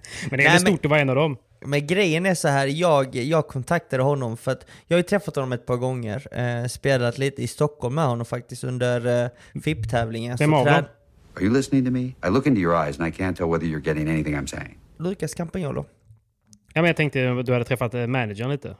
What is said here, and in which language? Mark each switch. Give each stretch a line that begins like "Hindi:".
Swedish: Men det är stort att vara en av dem. Men grejen är så här, jag kontaktade honom för att jag har ju träffat honom ett par gånger. Spelat lite i Stockholm med honom faktiskt under FIP-tävlingen. Vem av dem?
English: Are you listening to me? I look into your eyes and I can't tell whether you're getting anything I'm saying.
Swedish: Lucas Campagnolo. Ja, men jag tänkte du hade träffat managern lite.